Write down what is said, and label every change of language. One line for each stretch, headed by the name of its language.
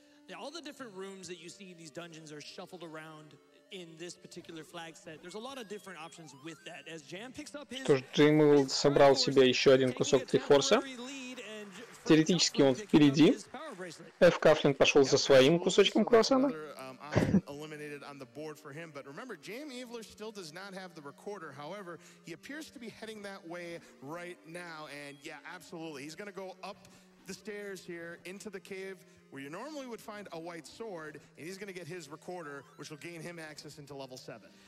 English: Now, all the different rooms that you see in these dungeons are shuffled around in this particular flag set. There's a lot of different options with that. As Jam picks up his...
Russian: Что ж, Джейм собрал себе еще один кусок Трифорса. Теоретически он впереди. Ф. Кафлин пошел за своим кусочком круассана.
English: Eliminated on the board for him, but remember, Jam Eveler still does not have the recorder. However, he appears to be heading that way right now, and yeah, absolutely, he's going to go up the stairs here into the cave where you normally would find a white sword, and he's going to get his recorder, which will gain him access into level 7.